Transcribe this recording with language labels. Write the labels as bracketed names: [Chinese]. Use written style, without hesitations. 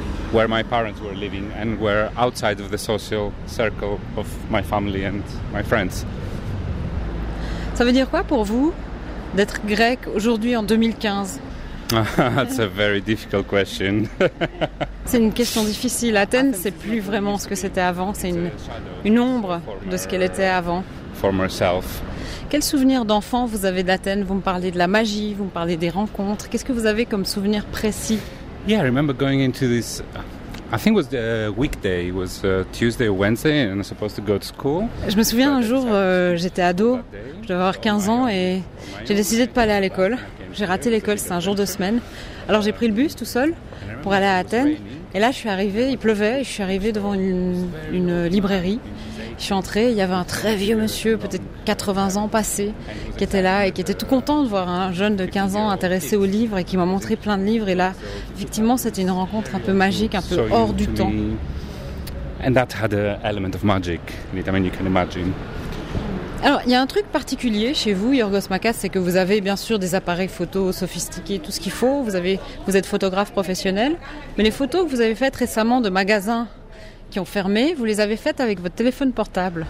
[English] Where my parents were living and were outside of the social circle of my family and my friends. [French] Ça veut dire quoi pour vous d'être grec aujourd'hui en 2015? [English] That's a very difficult question. [French] C'est une question difficile. Athènes, c'est plus vraiment ce que c'était avant. C'est une ombre de ce qu'elle était avant. [English] Former self. [French] Quel souvenir d'enfant vous avez d'Athènes? Vous me parlez de la magie, vous me parlez des rencontres. Qu'est-ce que vous avez comme souvenir précis? [English] Yeah, I remember going into this. I think it was the weekday. It was Tuesday or Wednesday, and I was supposed to go to school. [French] Je me souviens un jour, j'étais ado, je devais avoir 15 ans, et j'ai décidé de pas aller à l'école. J'ai raté l'école, c'est un jour de semaine. Alors j'ai pris le bus tout seul pour aller à Athènes. Et là, je suis arrivé, il pleuvait, et je suis arrivé devant une librairie. Je suis entré, il y avait un très vieux monsieur, peut-être 80 ans passé, qui était là et qui était tout content de voir un jeune de 15 ans intéressé au livre et qui m'a montré plein de livres. Et là, effectivement, c'était une rencontre un peu magique, un peu hors du temps. [English] And that had an element of magic, I mean, you can imagine. [French] Alors, il y a un truc particulier chez vous, Yorgos Makas, c'est que vous avez bien sûr des appareils photo sophistiqués, tout ce qu'il faut. Vous êtes photographe professionnel, mais les photos que vous avez faites récemment de magasins qui ont fermé, vous les avez faites avec votre téléphone portable.